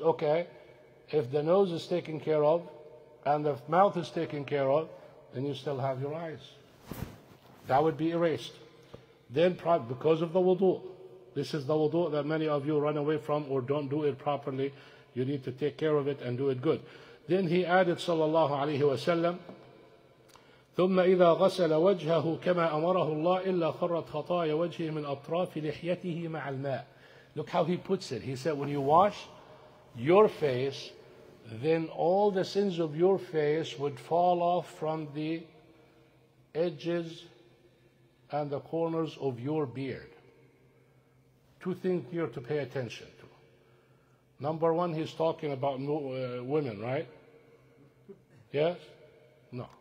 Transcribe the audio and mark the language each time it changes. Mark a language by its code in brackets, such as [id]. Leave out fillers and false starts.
[en] Okay, if the nose is taken care of, and the mouth is taken care of, then you still have your eyes. That would be erased. Then, because of the wudu, this is the wudu that many of you run away from or don't do it properly, You need to take care of it and do it good. Then he added, [ar] صلى الله عليه وسلم, ثم إذا غسل وجهه كما أمره الله إلا خرت خطايا وجهه من أطراف لحيته مع الماء. [en] Look how he puts it. He said, when you wash your face, then all the sins of your face would fall off from the edges and the corners of your beard. Two things here to pay attention to. Number one, he's talking about women, right? Yes? No.